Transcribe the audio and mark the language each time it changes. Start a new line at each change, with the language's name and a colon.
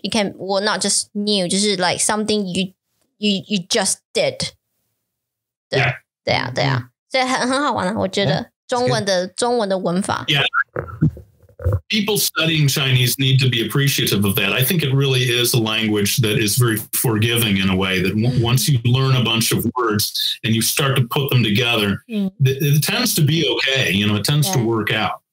English: It can well not just new, just like something you just did.
Chinese: 对啊，对啊，所以很好玩啊，我觉得中文的文法。
English: Yeah, people studying Chinese need to be appreciative of that. I think it really is a language that is very forgiving in a way that once you learn a bunch of words and you start to put them together, it tends to be okay. You know, it tends to work out.